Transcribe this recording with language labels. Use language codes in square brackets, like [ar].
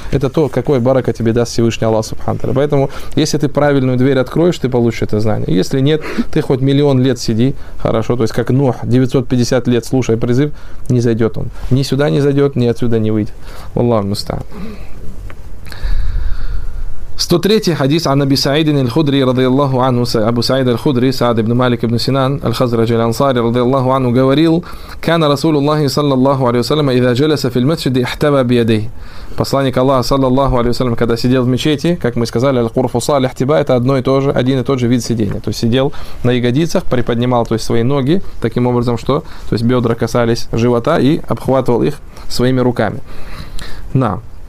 [ru] Это то, какое барака тебе даст Всевышний Аллах Субхантара. Поэтому, если ты правильную дверь откроешь, ты получишь это знание. Если нет, ты хоть миллион лет сиди, хорошо, то есть как Нух, 950 лет слушай призыв, не зайдет он. Ни сюда не зайдет, ни отсюда не выйдет. Аллаху мустан. [ar] 103 хадис عن ابي سعيد الخدري رضي الله عنه ابو سعيد الخدري سعد بن مالك بن سنان الخزرجي الانصاري رضي الله عنه говорил كان رسول الله صلى الله عليه وسلم اذا جلس في المسجد احتوى بيديه. [ru] Посланник Аллаха саллаллаху алейхи ва саллям, когда сидел в мечети, как мы сказали, аль-курфуса, аль-ихтиба, это одно и то же, один и тот же вид сидения. То есть сидел на ягодицах, приподнимал, то есть, свои ноги таким образом, что, то есть, бёдра касались живота и обхватывал их своими руками. На.